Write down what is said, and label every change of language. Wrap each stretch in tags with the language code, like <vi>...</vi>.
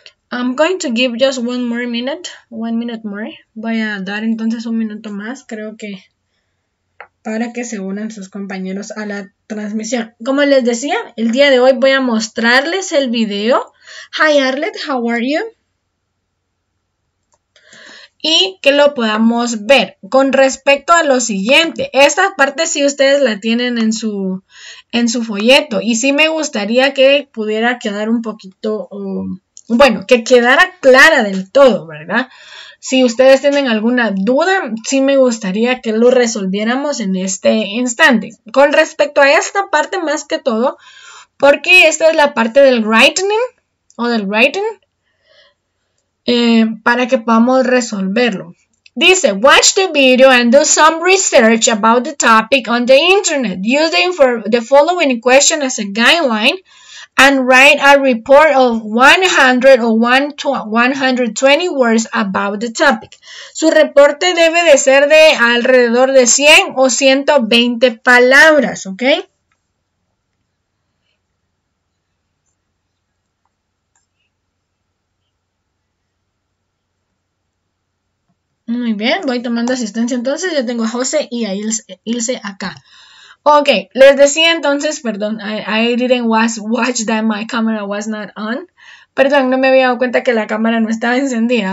<en>I'm going to give just one more minute. 1 minute more.</en> <es>Voy a dar entonces un minuto más. Creo que para que se unan sus compañeros a la transmisión. Como les decía, el día de hoy voy a mostrarles el video.</es> <en>Hi Arlet, how are you?</en> <es>Y que lo podamos ver. Con respecto a lo siguiente, esta parte sí ustedes la tienen en su folleto. Y sí me gustaría que pudiera quedar un poquito, bueno, que quedara clara del todo, ¿verdad? Si ustedes tienen alguna duda, sí me gustaría que lo resolviéramos en este instante. Con respecto a esta parte más que todo, porque esta es la parte del writing o del writing. Para que podamos resolverlo.</es> <en>Dice, watch the video and do some research about the topic on the internet. Use the following question as a guideline and write a report of 100 or 120 words about the topic.</en> <es>Su reporte debe de ser de alrededor de 100 o 120 palabras, ¿ok? Muy bien, voy tomando asistencia entonces. Yo tengo a José y a Ilse acá.</es> <en>Ok,</en> <es>les decía entonces, perdón,</es> <en>I didn't watch that my camera was not on.</en> <es>Perdón, no me había dado cuenta que la cámara no estaba encendida.</es>